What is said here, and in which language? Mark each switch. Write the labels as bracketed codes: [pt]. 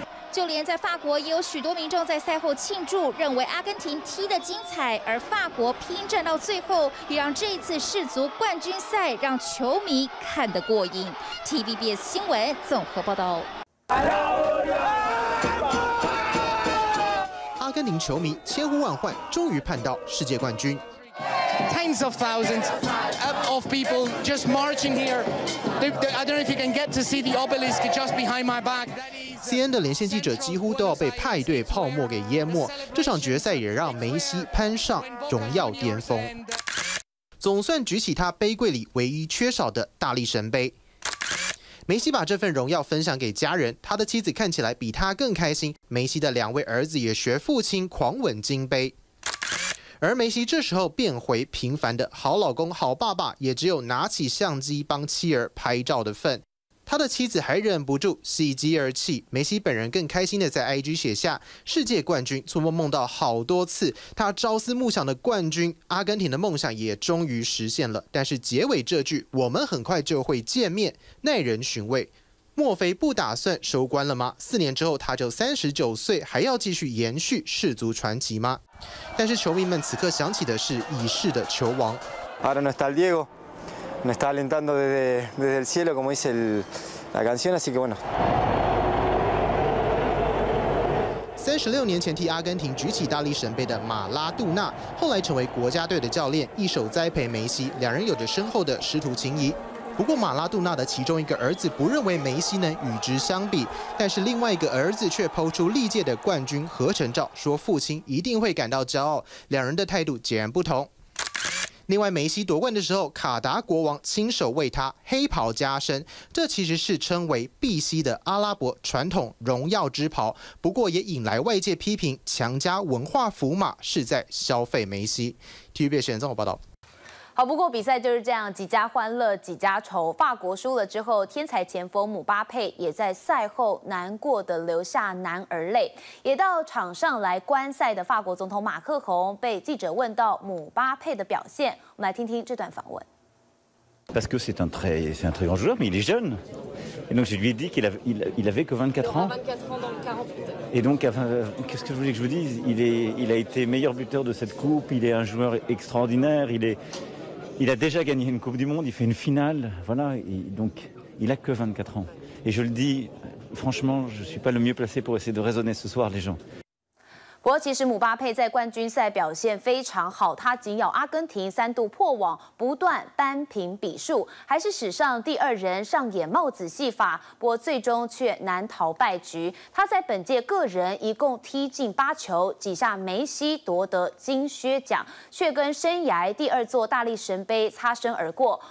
[zh] 就连在法国也有许多民众在赛后庆祝，认为阿根廷踢得精彩，而法国拼战到最后，也让这一次世足冠军赛让球迷看得过瘾。 TVBS 新闻综合报道。阿根廷球迷千呼万唤，终于盼到世界冠军。 [en] Tens of thousands of people just marching here. I don't know if you can get to see the obelisk just behind my back. [zh] CNN 的连线记者几乎都要被派对泡沫给淹没。这场决赛也让梅西攀上荣耀巅峰，总算举起他杯柜里唯一缺少的大力神杯。梅西把这份荣耀分享给家人，他的妻子看起来比他更开心。梅西的两位儿子也学父亲狂吻金杯。而梅西这时候变回平凡的好老公、好爸爸，也只有拿起相机帮妻儿拍照的份。他的妻子还忍不住喜极而泣，梅西本人更开心的在 IG 写下：“世界冠军，做梦梦到好多次，他朝思暮想的冠军，阿根廷的梦想也终于实现了。” 但是结尾这句“我们很快就会见面”耐人寻味。莫非不打算收官了吗？四年之后他就39岁，还要继续延续世足传奇吗？但是球迷们此刻想起的是已逝的球王。 [es] Ahora no está el Diego, me está alentando desde el cielo, como dice la canción, así que bueno。 [zh] 36年前替阿根廷举起大力神杯的马拉杜纳，后来成为国家队的教练，一手栽培梅西，两人有着深厚的师徒情谊。不过马拉杜纳的其中一个儿子不认为梅西能与之相比，但是另外一个儿子却抛出历届的冠军合成照，说父亲一定会感到骄傲，两人的态度截然不同。另外梅西夺冠的时候，卡达国王亲手为他黑袍加身，这其实是称为必须的阿拉伯传统荣耀之袍，不过也引来外界批评，强加文化符码是在消费梅西。 TVBS 新闻综合报道。好，不过比赛就是这样，几家欢乐几家愁。法国输了之后，天才前锋姆巴佩也在赛后难过的流下男儿泪。也到场上来观赛的法国总统马克宏被记者问到姆巴佩的表现，我们来听听这段访问。 [fr] Parce que c'est un très grand joueur, mais il est jeune. Et donc je lui ai dit qu'il avait que 24 ans. 24 ans dans 48. Et donc qu'est-ce que je voulais que je vous dise ? Il a été meilleur buteur de cette coupe. Il est un joueur extraordinaire. Il a déjà gagné une Coupe du Monde, il fait une finale, voilà, et donc il n'a que 24 ans. Et je le dis, franchement, je ne suis pas le mieux placé pour essayer de raisonner ce soir les gens. [zh] 不过其实姆巴佩在冠军赛表现非常好，他紧咬阿根廷三度破网，不断扳平比数，还是史上第二人上演帽子戏法，不过最终却难逃败局。他在本届个人一共踢进8球，挤下梅西夺得金靴奖，却跟生涯第二座大力神杯擦身而过。